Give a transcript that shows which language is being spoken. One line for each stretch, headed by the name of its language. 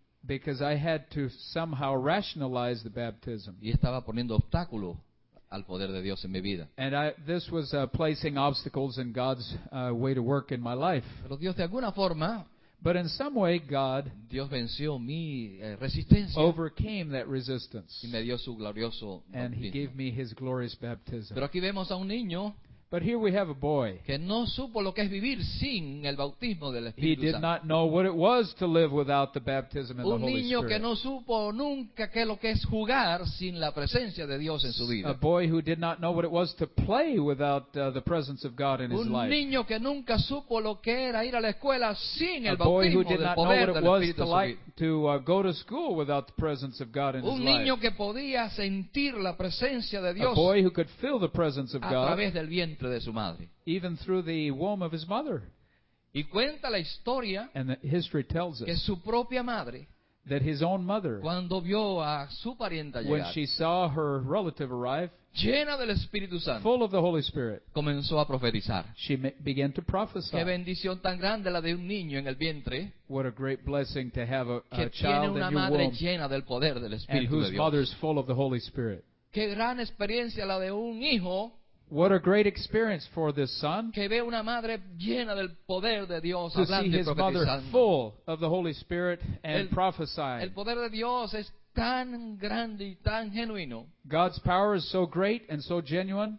English: Because I had to somehow rationalize the baptism.
Spanish: Y estaba poniendo obstáculo al poder de Dios en mi vida.
English: And this was placing obstacles in God's way to work in my life.
Spanish: Pero Dios de alguna forma,
English: but in some way God,
Spanish: Dios venció mi resistencia,
English: overcame that resistance,
Spanish: y me dio su glorioso
English: and he gave me his glorious baptism.
Spanish: Pero aquí vemos a un niño,
English: But here we have a boy.
Spanish: Que no supo lo que es vivir sin el bautismo del Espíritu
English: Santo. He did not know what it was to live without the baptism in the Holy Spirit.
Spanish: Un niño que no supo nunca qué lo que es jugar sin la presencia de Dios en su vida.
English: A boy who did not know what it was to play without the presence of God in his life.
Spanish: Un niño que nunca supo lo que era ir a la escuela sin el bautismo del poder del Espíritu Santo.
English: A boy who did not know what it was to go to school without the presence of God in his life.
Spanish: Un niño que podía sentir la presencia de Dios.
English: A boy who could feel the presence of God.
Spanish: A través del vientre de su madre.
English: Even through the womb of his mother.
Spanish: Y cuenta la historia,
English: and the history tells us
Spanish: que su propia madre,
English: that his own mother,
Spanish: cuando vio a su parienta llegar,
English: when she saw her relative arrive,
Spanish: llena del Espíritu Santo,
English: full of the Holy Spirit,
Spanish: comenzó a profetizar.
English: She began to prophesy.
Spanish: Qué bendición tan grande la de un niño en el vientre.
English: What a great blessing to have a child in your womb.
Spanish: Que tiene una madre llena del poder del Espíritu de Dios.
English: Whose mother is full of the Holy Spirit.
Spanish: Qué gran experiencia la de un hijo.
English: What a great experience for this son.
Spanish: Que ve una madre llena del poder de Dios hablando y profetizando.
English: To see his mother full of the Holy Spirit and prophesying.
Spanish: El poder de Dios es tan grande y tan genuino.
English: God's power is so great and so genuine.